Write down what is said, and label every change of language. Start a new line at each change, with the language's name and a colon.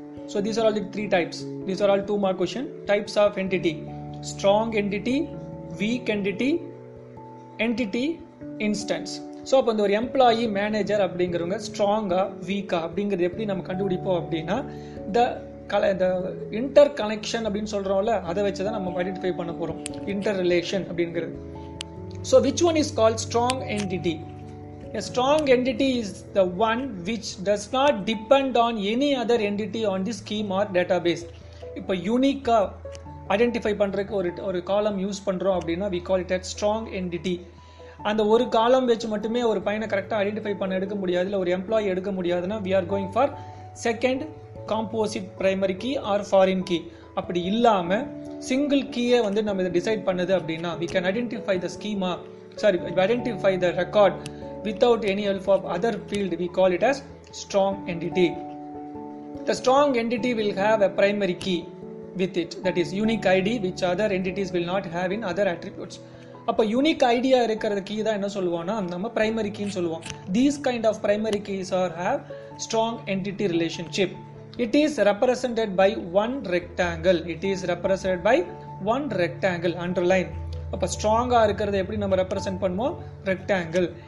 English: So these are all the three types. These are all two mark question. Types of entity: strong entity, weak entity, entity instance.
Tamil: So அப்போ இந்த ஒரு employee manager அப்படிங்கிறவங்க ஸ்ட்ராங்கா வீக்கா அப்படிங்கிறது எப்படி நம்ம கண்டுபிடிப்போம் அப்படின்னா, இந்த இன்டர் கனெக்ஷன் அப்படின்னு சொல்கிறோம்ல, அதை வச்சு தான் நம்ம ஐடென்டிஃபை பண்ண போகிறோம், இன்டர் ரிலேஷன் அப்படிங்கிறது.
English: So which one is called strong entity? A strong entity is the one which does not depend on any other entity on the scheme or database. If a unique identify
Tamil: பண்றதுக்கு ஒரு காலம் use பண்றோம் அப்படின்னா,
English: we call it a strong entity.
Tamil: அந்த ஒரு காலம் வச்சு மட்டுமே ஒரு பையனை கரெக்டாக ஐடென்டிஃபை பண்ண எடுக்க முடியாது, இல்லை ஒரு எம்ப்ளாயி எடுக்க முடியாதுன்னா,
English: We are going for second composite primary key or foreign key.
Tamil: அப்படி இல்லாமல் சிங்கிள் கீயை வந்து நம்ம இதை டிசைட் பண்ணுது அப்படின்னா,
English: We can identify the schema, sorry, identify the record without any help of other field, we call it as strong entity. The strong entity will have a primary key with it, that is unique ID, which other entities will not have in other attributes.
Tamil: அப்போ unique idea இருக்கிற key தான் என்ன சொல்லுவோம்னா, நம்ம primary கீன்னு சொல்லுவோம்.
English: These kind of primary keys are have strong entity relationship. It is represented by one rectangle. It is represented by one rectangle, underline.
Tamil: அப்போ ஸ்ட்ராங்காக இருக்கிறத எப்படி நம்ம ரெப்ரசன்ட் பண்ணுவோம், ரெக்டாங்கிள்.